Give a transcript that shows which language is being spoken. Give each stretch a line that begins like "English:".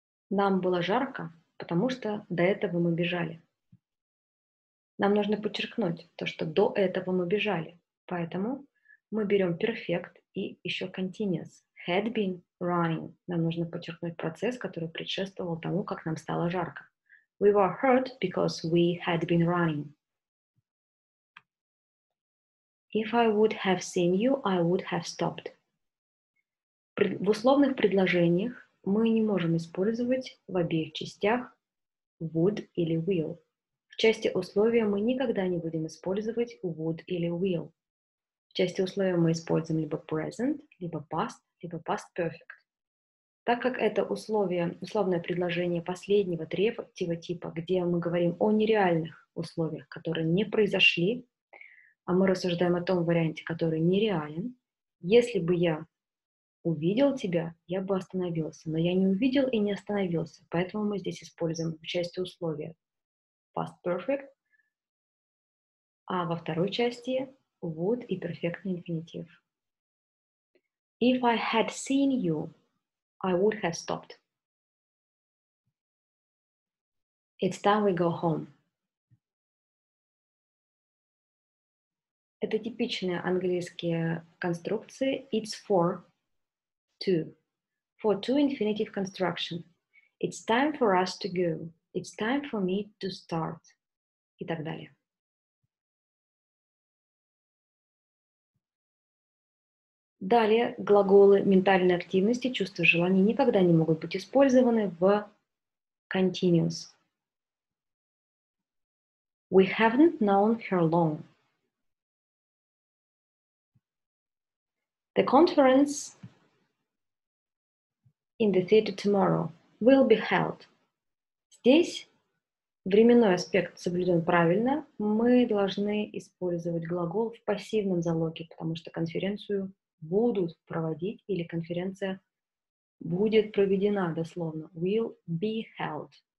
Russian: Нам было жарко, потому что до этого мы бежали. Нам нужно подчеркнуть то, что до этого мы бежали. Поэтому мы берем perfect и еще continuous.
English: Had been running.
Russian: Нам нужно подчеркнуть процесс, который предшествовал тому, как нам стало жарко.
English: We were hurt because we had been running. If I would have seen you, I would have stopped.
Russian: В условных предложениях мы не можем использовать в обеих частях would или will. В части условия мы никогда не будем использовать would или will. В части условия мы используем либо present, либо past perfect. Так как это условие, условное предложение последнего третьего типа, где мы говорим о нереальных условиях, которые не произошли, а мы рассуждаем о том варианте, который нереален, если бы я увидел тебя, я бы остановился. Но я не увидел и не остановился. Поэтому мы здесь используем в части условия past perfect, а во второй части would и перфектный инфинитив.
English: If I had seen you, I would have stopped. It's time we go home.
Russian: Это типичные английские конструкции.
English: It's for two. For two infinitive construction. It's time for us to go. It's time for me to start.
Russian: И так далее. Далее глаголы ментальной активности, чувства желания никогда не могут быть использованы в continuous.
English: We haven't known her long. The conference in the theater tomorrow will be held.
Russian: Здесь временной аспект соблюден правильно. Мы должны использовать глагол в пассивном залоге, потому что конференцию будут проводить или конференция будет проведена дословно.
English: Will be held.